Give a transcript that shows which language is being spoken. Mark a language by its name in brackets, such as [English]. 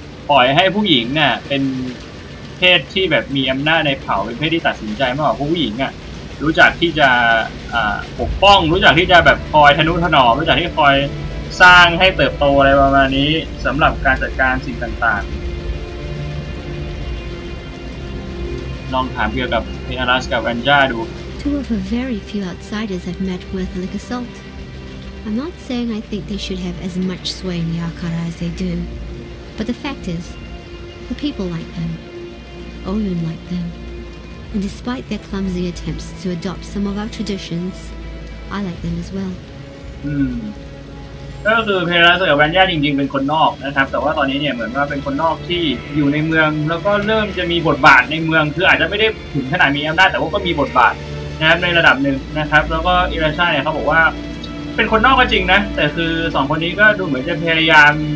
[Thai] ปล่อยให้ผู้หญิงเนี่ยเป็นเพศที่แบบมีอำนาจในเผ่าเป็นเพศที่ตัดสินใจมากกว่าผู้หญิงอ่ะรู้จักที่จะปกป้องรู้จักที่จะแบบคอยทะนุถนอมรู้จักที่คอยสร้างให้เติบโตอะไรประมาณนี้สำหรับการจัดการสิ่งต่างๆลองถามเกี่ยวกับเอลาสกับแวนจ้าดู [English] Two of a very few outsiders I've met worth like assault I'm not saying I think they should have as much sway in Yakara as they do but the fact is the people like themOyun like them, and despite their clumsy attempts to adopt some of our traditions, I like them as well. [Thai] ก็คือเพลาสกับแวนย่าจริงๆเป็นคนนอกนะครับแต่ว่าตอนนี้เนี่ยเหมือนว่าเป็นคนนอกที่อยู่ในเมืองแล้วก็เริ่มจะมีบทบาทในเมืองคืออาจจะไม่ได้ถึงขนาดมีอำนาจแต่ว่าก็มีบทบาทนะครับในระดับหนึ่งนะครับแล้วก็อิราชาเนี่ยเขาบอกว่าเป็นคนนอกก็จริงนะแต่คือสองคนนี้ก็ดูเหมือนจะพยายาม